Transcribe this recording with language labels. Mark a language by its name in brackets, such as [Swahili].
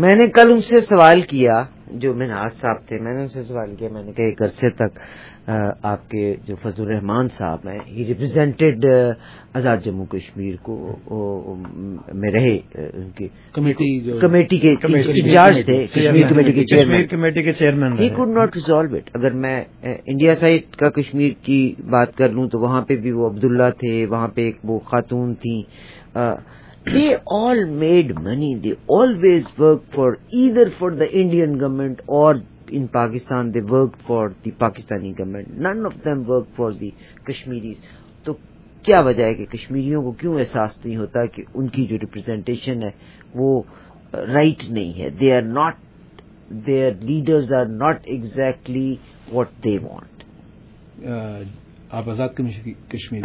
[Urdu] میں نے کل ان سے سوال کیا جو مناز صاحب تھے, میں نے ان سے سوال کیا, میں نے کہا ایک عرصے تک آپ کے جو فضل الرحمان صاحب ہیں [English] he represented [Urdu] آزاد جموں کشمیر کو میں رہے, ان کی کمیٹی کے انچارج تھے, کمیٹی کے chairman, [English] He could not resolve it. [Urdu] اگر میں انڈیا سائڈ کا کشمیر کی بات کر لوں تو وہاں پہ بھی وہ عبداللہ تھے, وہاں پہ ایک وہ خاتون تھیں. [English] They all made money. They always worked for either for the Indian government or in Pakistan they worked for the Pakistani government. None of them worked for the Kashmiris. [Urdu] تو کیا وجہ ہے کہ کشمیریوں کو کیوں احساس نہیں ہوتا کہ ان کی جو ریپرزینٹیشن ہے وہ رائٹ نہیں ہے؟ [English] They are not, their leaders are not exactly what they want. [Urdu] آپ آزاد کشمیر,